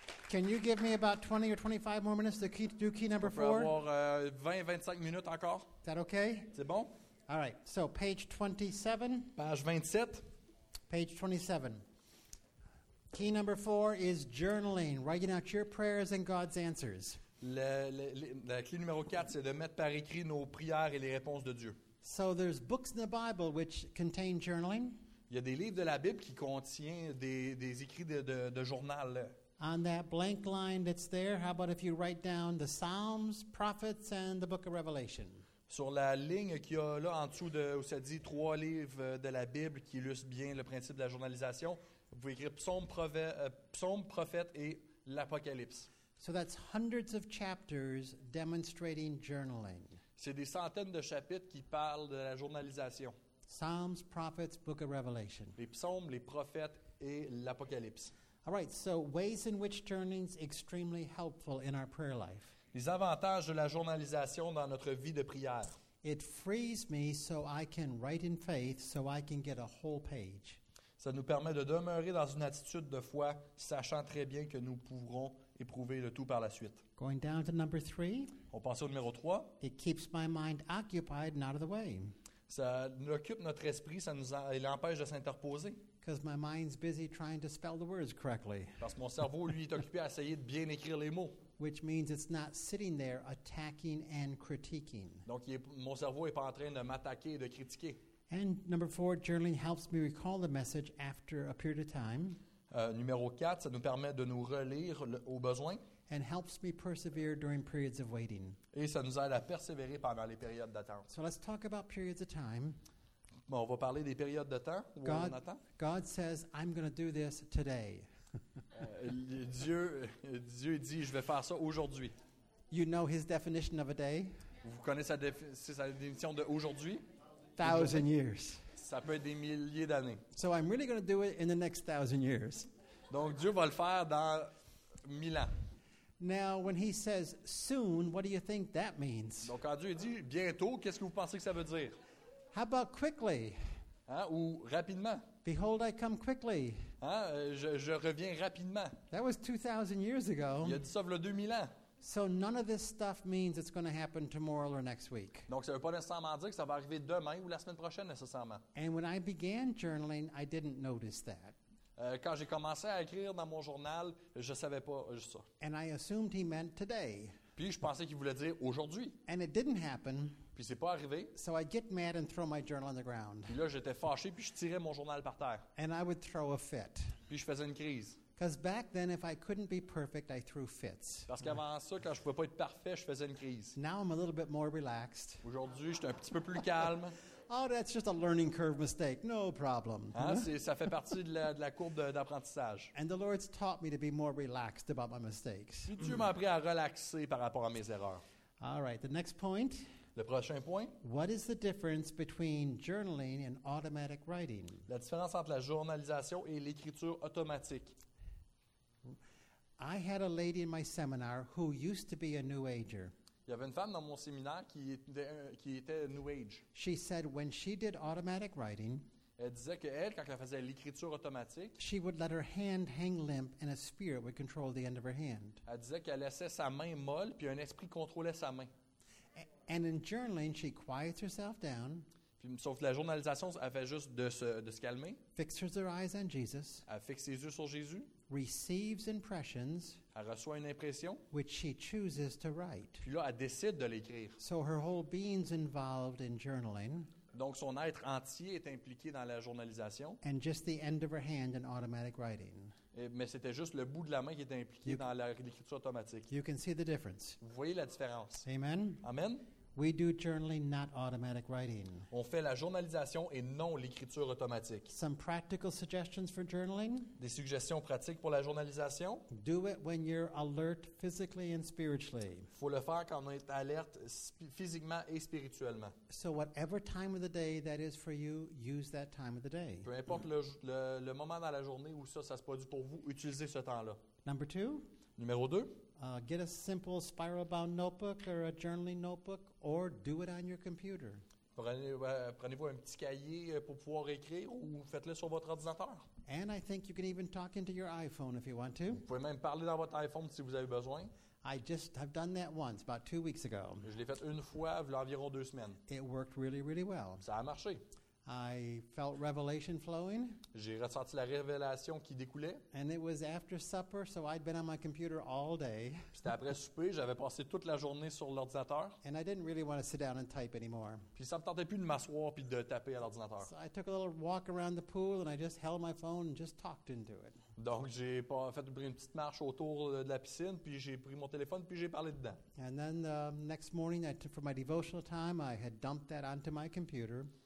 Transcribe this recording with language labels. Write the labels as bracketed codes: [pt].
[en] Can you give me about 20 or 25 more minutes to do key number 4? [fr] On peut avoir 20, 25 minutes encore. [en] Is that okay? [fr] C'est bon? [en] All right. So, page 27. [fr] Page 27. [en] Page 27. Key number 4 is journaling, writing out your prayers and God's answers. [fr] La clé numéro 4, c'est de mettre par écrit nos prières et les réponses de Dieu. [en] So there's books in the Bible which contain journaling. [fr] Il y a des livres de la Bible qui contiennent des écrits de journal. [en] On that blank line that's there, how about if you write down the Psalms, Prophets, and the Book of Revelation? [fr] Sur la ligne qu'il y a là en dessous de où ça dit trois livres de la Bible qui illustrent bien le principe de la journalisation, vous pouvez écrire Psaume, Prophète et l'Apocalypse. [en] So that's hundreds of chapters demonstrating journaling. [fr] C'est des centaines de chapitres qui parlent de la journalisation. [en] Psalms, Prophets, Book of Revelation. [fr] Les psaumes, les prophètes et l'Apocalypse. [en] All right, so ways in which journaling is extremely helpful in our prayer life. [fr] Les avantages de la journalisation dans notre vie de prière. [en] It frees me so I can write in faith so I can get a whole page. [fr] Ça nous permet de demeurer dans une attitude de foi, sachant très bien que nous pourrons éprouver le tout par la suite. [en] Going down to number 3. [fr] On passe au numéro 3. [en] It keeps my mind occupied and out of the way. [fr] Ça occupe notre esprit, ça nous empêche de s'interposer. [en] Because my mind's busy trying to spell the words correctly. [fr] Parce que mon cerveau, lui, est occupé à essayer de bien écrire les mots. [en] Which means it's not sitting there attacking and critiquing. [fr] Donc, mon cerveau n'est pas en train de m'attaquer et de critiquer. [en] And number four, journaling helps me recall the message after a period of time. [fr] Numéro 4, ça nous permet de nous relire au besoin. [en] And helps me persevere during periods of waiting. [fr] Et ça nous aide à persévérer pendant les périodes d'attente. [en] So let's talk about periods of time. [fr] Bon, on va parler des périodes de temps où [en] God, [fr] on attend. [en] God says, I'm going to do this today. [fr] Dieu dit, je vais faire ça aujourd'hui. [en] You know his definition of a day? [fr] Vous connaissez sa définition de aujourd'hui? [en] 1,000 years. [fr] Ça peut être des milliers d'années. [en] So I'm really going to do it in the next 1,000 years. [fr] Donc Dieu va le faire dans 1,000 ans. [en] Now, when he says soon, what do you think that means? [fr] Donc quand Dieu dit bientôt, qu'est-ce que vous pensez que ça veut dire? [en] How about quickly? [fr] Hein, ou rapidement? [en] Behold, I come quickly. [fr] Hein, je reviens rapidement. [en] That was 2,000 years ago. [fr] Il a dit ça il y a 2,000 ans. [en] So none of this stuff means it's going to happen tomorrow or next week. [fr] Donc ça veut pas nécessairement dire que ça va arriver demain ou la semaine prochaine nécessairement. [en] And when I began journaling, I didn't notice that. [fr] Quand j'ai commencé à écrire dans mon journal, je savais pas juste ça. [en] And I assumed he meant today. [fr] Puis je pensais qu'il voulait dire aujourd'hui. [en] And it didn't happen. [fr] Puis c'est pas arrivé. [en] So I get mad and throw my journal on the ground. [fr] Puis là j'étais fâché puis je tirais mon journal par terre. [en] And I would throw a fit. [fr] Puis je faisais une crise. [en] Because back then, if I couldn't be perfect, I threw fits. [fr] Parce qu'avant ça, quand je pouvais pas être parfait, je faisais une crise. [en] Now I'm a little bit more relaxed. [fr] Aujourd'hui, j'étais un petit peu plus calme. [en] Oh, that's just a learning curve mistake. No problem. [fr] Hein, ça fait partie de la courbe d'apprentissage. [en] And the Lord's taught me to be more relaxed about my mistakes. [fr] Puis Dieu m'a appris à relaxer par rapport à mes erreurs. [en] All right, the next point. [fr] Le prochain point. [en] What is the difference between journaling and automatic writing? [fr] La différence entre la journalisation et l'écriture automatique. [en] I had a lady in my seminar who used to be a New Ager. [fr] Il y avait une femme dans mon séminaire qui était New Age. [en] She said when she did automatic writing, [fr] elle disait que elle, quand elle faisait l'écriture automatique, [en] she would let her hand hang limp and a spirit would control the end of her hand. [fr] Elle disait qu'elle laissait sa main molle puis un esprit contrôlait sa main. [en] And in journaling, she quiets herself down. [fr] Sauf que la journalisation, elle fait juste de se calmer. [en] Fixes her eyes on Jesus. [fr] Elle fixe ses yeux sur Jésus. [en] Receives impressions. [fr] Elle reçoit une impression. [en] Which she chooses to write. [fr] Puis là, elle décide de l'écrire. [en] So her whole being's involved in journaling. [fr] Donc son être entier est impliqué dans la journalisation. [en] And just the end of her hand in automatic writing. [fr] Mais c'était juste le bout de la main qui était impliqué dans l'écriture automatique. [en] You can see the difference. [fr] Vous voyez la différence. [en] Amen. [fr] Amen. [en] We do journaling, not automatic writing. [fr] On fait la journalisation et non l'écriture automatique. [en] Some practical suggestions for journaling. [fr] Des suggestions pratiques pour la journalisation. [en] Do it when you're alert physically and spiritually. [fr] Faut le faire quand on est alerte physiquement et spirituellement. [en] So whatever time of the day that is for you, use that time of the day. [fr] Peu importe le moment dans la journée où ça se produit pour vous, utilisez ce temps-là. [en] Number two. [fr] Numéro deux. [en] Get a simple spiral-bound notebook or a journaling notebook, or do it on your computer. [fr] Prenez-vous un petit cahier pour pouvoir écrire ou faites-le sur votre ordinateur. [en] And I think you can even talk into your iPhone if you want to. [fr] Vous pouvez même parler dans votre iPhone si vous avez besoin. [en] I just have done that once, about 2 weeks ago. [fr] Je l'ai fait une fois, il y a environ 2 semaines. [en] It worked really, really well. [fr] Ça a marché. [en] I felt revelation flowing. [fr] J'ai ressenti la révélation qui découlait. [en] And it was after supper, so I'd been on my computer all day. [fr] C'était après souper, j'avais passé toute la journée sur l'ordinateur. [en] And I didn't really want to sit down and type anymore. [fr] Puis ça me tentait plus de m'asseoir puis de taper à l'ordinateur. [en] So I took a little walk around the pool and I just held my phone and just talked into it. [fr] Donc j'ai fait une petite marche autour de la piscine puis j'ai pris mon téléphone puis j'ai parlé dedans. [en] And then the next morning, for my devotional time, I had dumped that onto my computer.